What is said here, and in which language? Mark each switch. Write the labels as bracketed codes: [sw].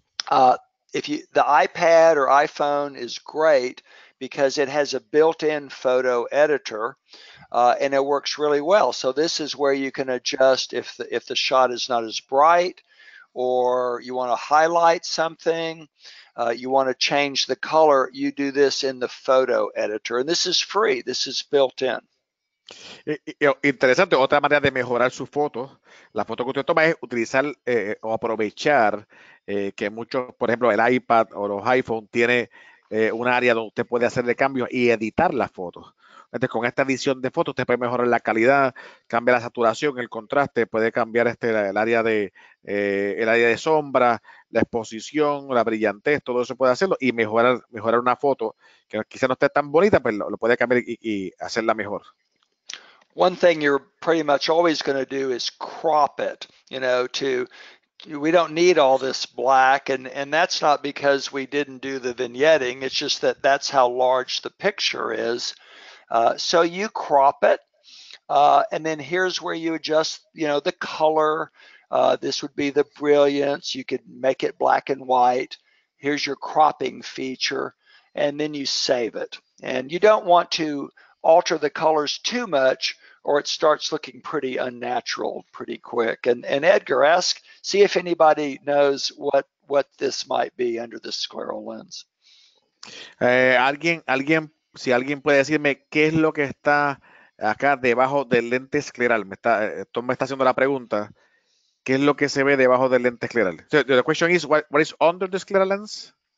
[en] The iPad or iPhone is great because it has a built-in photo editor, and it works really well. So this is where you can adjust if the shot is not as bright, or you want to highlight something, you want to change the color, you do this in the photo editor. And this is free. This is built in. [es] Interesante. Otra manera de mejorar su foto, la foto que usted toma, es utilizar o aprovechar que muchos, por ejemplo, el iPad o los iPhone tiene un área donde usted puede hacerle cambios y editar las fotos. Entonces, con esta edición de fotos, usted puede mejorar la calidad, cambia la saturación, el contraste, puede cambiar el área de sombra, la exposición, la brillantez, todo eso puede hacerlo y mejorar una foto que quizá no esté tan bonita, pero lo puede cambiar y hacerla mejor. [en] One thing you're pretty much always going to do is crop it, you know, we don't need all this black, and that's not because we didn't do the vignetting, it's just that that's how large the picture is. So you crop it, and then here's where you adjust, you know, the color. This would be the brilliance. You could make it black and white. Here's your cropping feature, and then you save it. And you don't want to alter the colors too much, or it starts looking pretty unnatural pretty quick. And Edgar, ask, see if anybody knows what this might be under the scleral lens. [es] Alguien. Si alguien puede decirme qué es lo que está acá debajo del lente escleral. Tom me está haciendo la pregunta: ¿qué es lo que se ve debajo del lente escleral? [en] So, the question is: what is under the scleral lens?